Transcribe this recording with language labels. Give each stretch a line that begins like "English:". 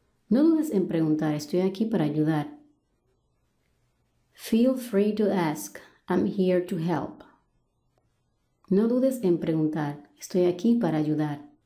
Spanish: No dudes en preguntar, estoy aquí para ayudar.
English: Feel free to ask, I'm here to help.
Spanish: No dudes en preguntar, estoy aquí para ayudar.